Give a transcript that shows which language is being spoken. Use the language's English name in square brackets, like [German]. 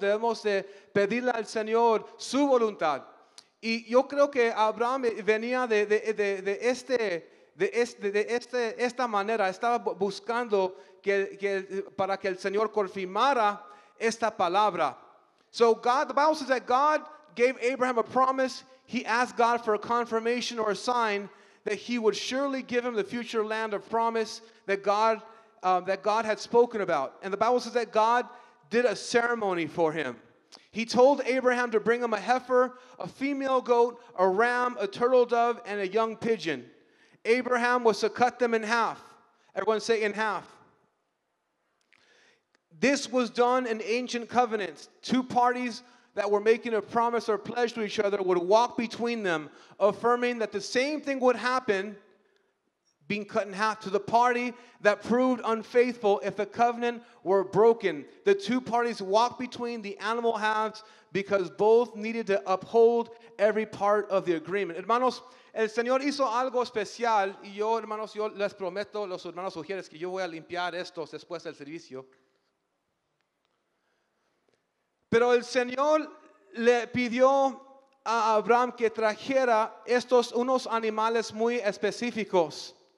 [Spanish] Debemos de pedirle al Señor su voluntad. Y yo creo que Abraham venía de esta manera. Estaba buscando para que el Señor confirmara esta palabra. [English] So God, the Bible says that God gave Abraham a promise. He asked God for a confirmation or a sign that he would surely give him the future land of promise that God had spoken about. And the Bible says that God did a ceremony for him. He told Abraham to bring him a heifer, a female goat, a ram, a turtle dove, and a young pigeon. Abraham was to cut them in half. Everyone say in half. This was done in ancient covenants. Two parties that were making a promise or pledge to each other would walk between them, affirming that the same thing would happen being cut in half to the party that proved unfaithful if the covenant were broken. The two parties walked between the animal halves because both needed to uphold every part of the agreement. [Spanish] Hermanos, el Señor hizo algo especial y yo, hermanos, yo les prometo, los hermanos sugieres que yo voy a limpiar estos después del servicio. Pero el Señor le pidió a Abraham que trajera estos unos animales muy específicos.